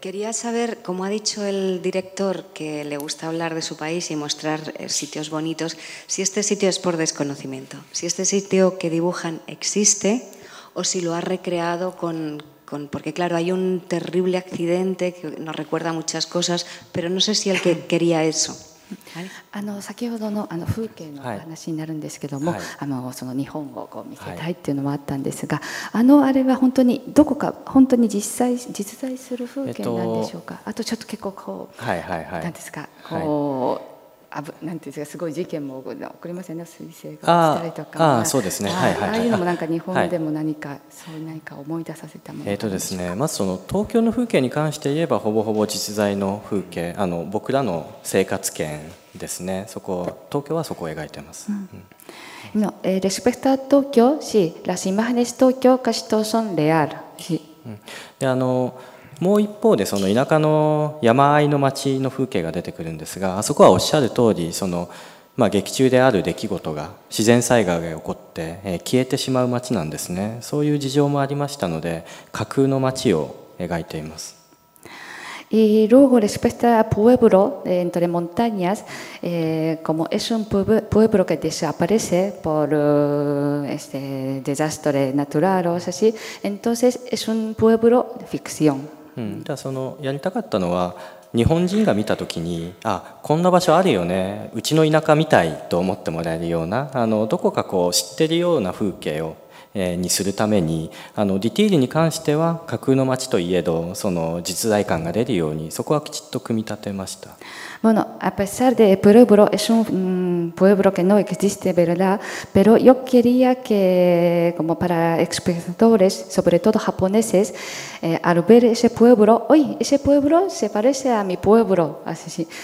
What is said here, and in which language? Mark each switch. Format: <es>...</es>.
<es>Quería saber, como ha dicho el director, que le gusta hablar de su país y mostrar sitios bonitos, si este sitio es por desconocimiento, si este sitio que dibujan existe o si lo ha recreado con porque claro, hay un terrible accidente que nos recuerda muchas cosas, pero no sé si el que quería eso.</es> <ja>先ほどの風景の話になるんですけども、はい、その日本をこう見せたいっていうのもあったんですが、はい、あれは本当にどこか本当に実在する風景なんでしょうか、あとちょっと結構こう、はいはいはい、なんですかこう、はい、なんていうんですかすごい事件も起こりませんね、水星が落ちたりとか、ああそうですね、はいはい、ああいうのもなんか日本でも何か、はい、そう何か思い出させたものなんでしょうか。まずその東京の風景に関して言えばほぼほぼ実在の風景、僕らの生活圏ですね、そこ東京はそこを描いています。</ja> <es>No, respecto a Tokio, sí, las imágenes de Tokio casi todas son reales.</es> <ja>で、もう一方でその田舎の山あいの町の風景が出てくるんですが、あそこはおっしゃる通りその、まあ、劇中である出来事が自然災害が起こって、消えてしまう町なんですね。そういう事情もありましたので、架空の町を描いています。</ja> <es>Y luego respecto al pueblo entre montañas, como es un pueblo que desaparece por este desastre natural o así, entonces es un pueblo de ficción.</es> <ja>じゃあそのやりたかったのは日本人が見たときに、あこんな場所あるよね、うちの田舎みたいと思ってもらえるような、どこかこう知ってるような風景をにするために、ディティールに関しては架空の街といえどその実在感が出るようにそこはきちっと組み立てました。</ja> <es>Bueno, a pesar de pueblo es un pueblo que no existe, ¿verdad? Pero yo quería que, como para espectadores, sobre todo japoneses, al ver ese pueblo, uy, ese pueblo se parece a mi pueblo, así.</es>